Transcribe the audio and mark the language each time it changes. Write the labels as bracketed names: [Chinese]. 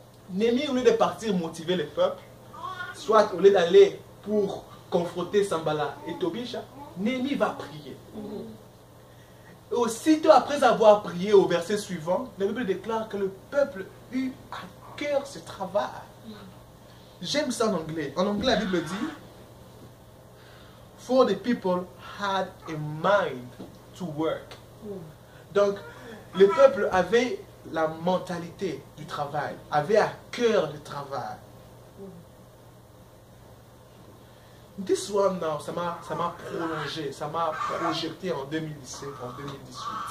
[French] Néhémie, au lieu de partir motiver les peuples, soit au lieu d'aller pour confronter Sambala et Tobisha, Néhémie va prier. Aussitôt après avoir prié, au verset suivant, la Bible déclare que le peuple eut à cœur ce travail. J'aime ça en anglais. En anglais, la Bible dit, [English] for the people had a mind to work. [French] Donc, le peuple avait la mentalité du travail, avait à cœur le travail. [English] This one now, [French] ça m'a prolongé, ça m'a projeté en 2017, en 2018.